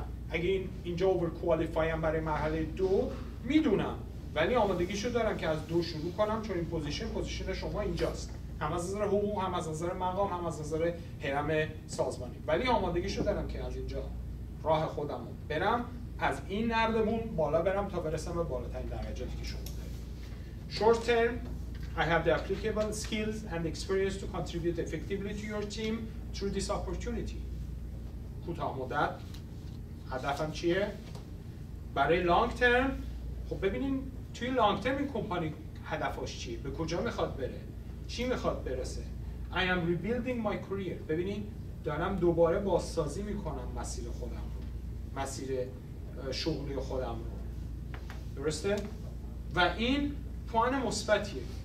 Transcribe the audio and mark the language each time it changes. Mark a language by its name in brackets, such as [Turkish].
[Persian] نه، اگه اینجا اوور کوالیفایم برای مرحله 2 میدونم، ولی آمادگیشو دارم که از 2 شروع کنم، چون این پوزیشن شما اینجاست، هم از نظر حقوق، هم از نظر مقام، هم از نظر هرم سازمانی، ولی آمادگیشو دارم که از اینجا راه خودم برم، از این نردمون بالا برم تا برسم به بالاترین درجاتی که شما دارید. [English] Short term, I have the applicable skills and experience to contribute effectively to your team through this opportunity. [Persian] کوتاه مدت هدفم چیه؟ برای long term، خب ببینیم توی لانگ ترم این کمپانی هدفش چیه؟ به کجا میخواد بره؟ چی میخواد برسه؟ [English] I am rebuilding my career. [Persian] ببینید دارم دوباره بازسازی میکنم مسیر خودم رو، مسیر شغلی خودم رو، درسته؟ و این پوان مثبتیه.